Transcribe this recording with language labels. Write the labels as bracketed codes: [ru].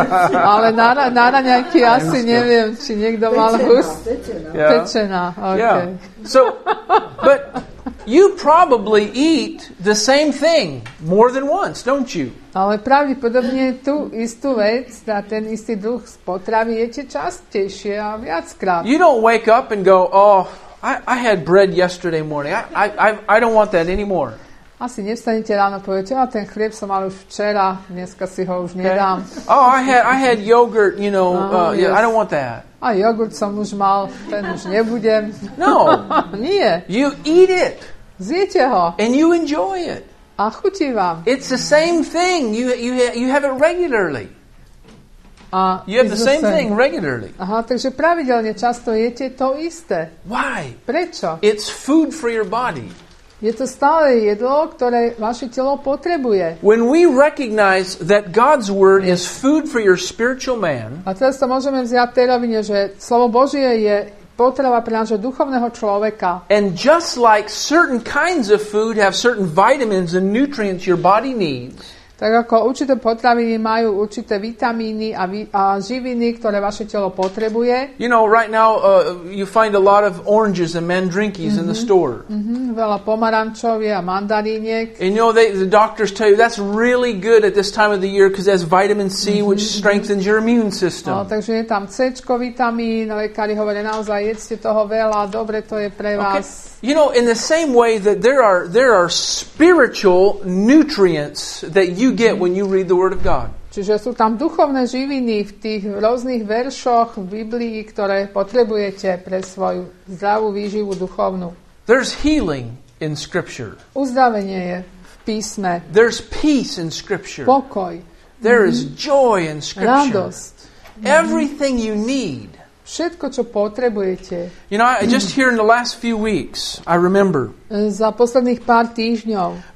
[sk] Ale na raňajky asi neviem, či niekto mal husku. Pečená. [en] Okay. Yeah. So, but you probably eat the same thing more than once, don't you? [sk] Ale pravdepodobne tú istú vec a ten istý druh potravy jete častejšie a viackrát. [en] You don't wake up and go, oh, I had bread yesterday morning. I don't want that anymore. [sk] Asi nevstanete ráno, poviete, a ten chlieb som mal už včera, dneska si ho už nedám. [en] Okay. Oh, I had yogurt, you know, I don't want that. [sk] A jogurt som už mal, ten už nebudem. [en] No. [sk] Nie. [en] You eat it. [sk] Zjete ho. [en] And you enjoy it. [sk] A chutí vám. [en] It's the same thing. You have it regularly. You have the same thing regularly. [sk] Aha, takže pravidelne často jete to isté. [en] Why? [sk] Prečo? [en] It's food for your body. [sk] Je to stále jedlo, ktoré vaše telo potrebuje. [en] When we recognize that God's word is food for your spiritual man. [sk] A teraz to môžeme vziať tej rovine, že slovo Božie je potrava pre nášho duchovného človeka. [en] And just like certain kinds of food have certain vitamins and nutrients your body needs. [sk] Tak ako určité potraviny majú určité vitamíny a živiny, ktoré vaše telo potrebuje. [en] You know, right now you find a lot of oranges and mandarinkies in the store. [sk] Veľa pomarančov a mandariniek. [en] And you know, the doctors tell you that's really good at this time of the year because it has vitamin C, which strengthens your immune system. [sk] No, takže je tam C-čko vitamín, lekári hovoria naozaj, jedzte toho veľa, dobre to je pre vás. [en] Okay. You know, in the same way that there are spiritual nutrients that you get when you read the Word of God. [sk] Čiže sú tam duchovné živiny v tých rôznych veršoch v Biblii, ktoré potrebujete pre svoju zdravú výživu duchovnú. [en] There's healing in Scripture. [sk] Uzdravenie je v písme. [en] There's peace in Scripture. [sk] Pokoj. [en] There is joy in Scripture. [sk] Radosť. [en] Everything you need. [sk] Všetko, čo potrebujete. [en] You know, just here in the last few weeks, I remember. [sk] Za posledných pár týždňov.